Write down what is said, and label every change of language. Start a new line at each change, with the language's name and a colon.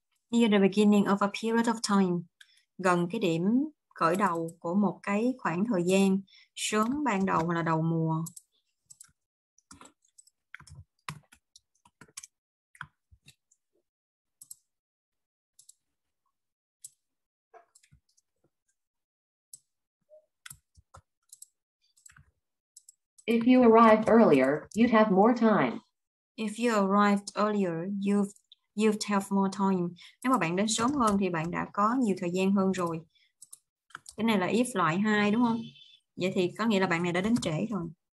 English: Near the beginning of a period of time.
Vietnamese: Gần cái điểm khởi đầu của một cái khoảng thời gian. Sớm ban đầu là đầu mùa.
English: If you arrived earlier, you'd have more time. If you arrived earlier, you'd have more time.
Vietnamese: Nếu mà bạn đến sớm hơn thì bạn đã có nhiều thời gian hơn rồi. Cái này là if loại 2 đúng không? Vậy thì có nghĩa là bạn này đã đến trễ rồi.